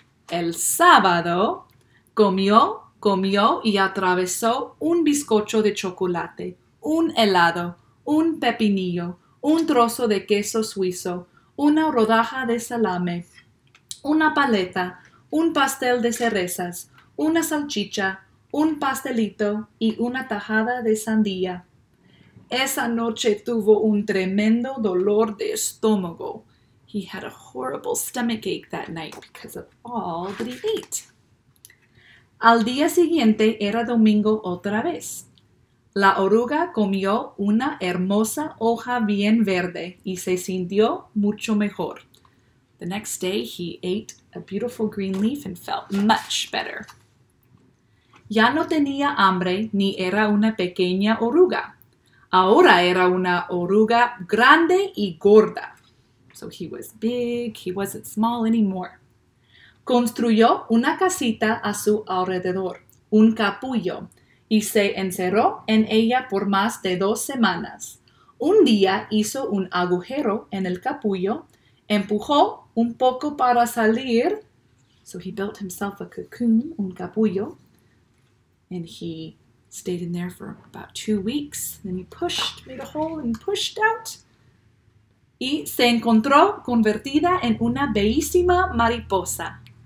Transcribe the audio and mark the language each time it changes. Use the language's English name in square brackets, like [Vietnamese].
[Spanish] El sábado comió, comió y atravesó un bizcocho de chocolate, un helado, un pepinillo, un trozo de queso suizo, una rodaja de salame, una paleta, un pastel de cerezas, una salchicha, un pastelito y una tajada de sandía. Esa noche tuvo un tremendo dolor de estómago. [English] He had a horrible stomach ache that night because of all that he ate. [Spanish] Al día siguiente era domingo otra vez. La oruga comió una hermosa hoja bien verde y se sintió mucho mejor. [English] The next day he ate a beautiful green leaf and felt much better. [Spanish] Ya no tenía hambre ni era una pequeña oruga. Ahora era una oruga grande y gorda. [English] So he was big, he wasn't small anymore. [Spanish] Construyó una casita a su alrededor, un capullo, y se encerró en ella por más de 2 semanas. Un día hizo un agujero en el capullo, empujó un poco para salir. [English] So he built himself a cocoon, [Spanish] un capullo, [English] and he stayed in there for about 2 weeks. Then he pushed, made a hole and pushed out. [Spanish] Y se encontró convertida en una bellísima mariposa.